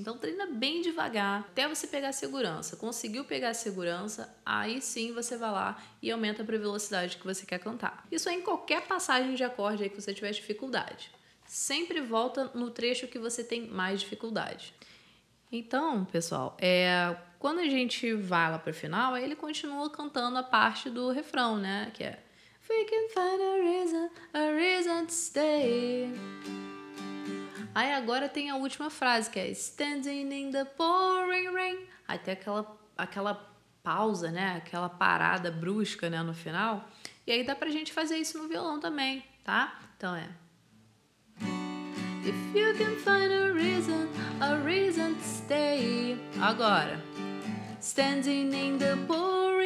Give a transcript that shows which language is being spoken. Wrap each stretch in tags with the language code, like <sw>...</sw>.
<pt>Então treina bem devagar, até você pegar a segurança. Conseguiu pegar a segurança, aí sim você vai lá e aumenta para a velocidade que você quer cantar. Isso é em qualquer passagem de acorde aí que você tiver dificuldade. Sempre volta no trecho que você tem mais dificuldade. Então, pessoal, quando a gente vai lá para o final, aí ele continua cantando a parte do refrão, né? Que é...</pt> <en>We can find a reason to stay.</en> <pt>Aí agora tem a última frase, que é</pt> <en>standing in the pouring rain.</en> <pt>Aí tem aquela pausa, né? Aquela parada brusca, né? No final. E aí dá pra gente fazer isso no violão também, tá? Então é.</pt> <en>If you can find a reason to stay.</en> <pt>Agora.</pt> <en>Standing in the pouring.</en>